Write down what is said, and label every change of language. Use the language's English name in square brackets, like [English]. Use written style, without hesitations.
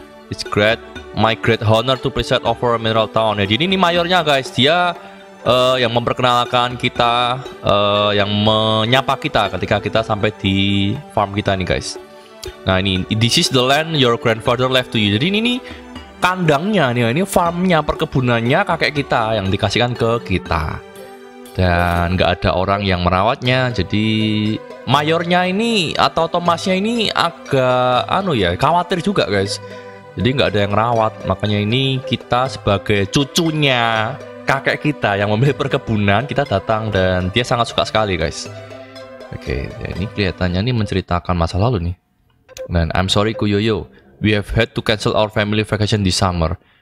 [English] It's great, my great honor to preside over Mineral Town. [Indonesian] Jadi ini mayornya guys, dia yang memperkenalkan kita, yang menyapa kita ketika kita sampai di farm kita nih guys. Nah ini, [English] this is the land your grandfather left to you. [Indonesian] Jadi ini kandangnya nih, ini farmnya, perkebunannya kakek kita yang dikasihkan ke kita. Dan nggak ada orang yang merawatnya, jadi mayornya ini atau Thomasnya ini agak anu ya, khawatir juga guys. Jadi nggak ada yang rawat, makanya ini kita sebagai cucunya kakek kita yang memiliki perkebunan, kita datang dan dia sangat suka sekali guys. Oke, ya ini kelihatannya ini menceritakan masa lalu nih. [English] Dan I'm sorry Kuyoyo, we have had to cancel our family vacation this summer.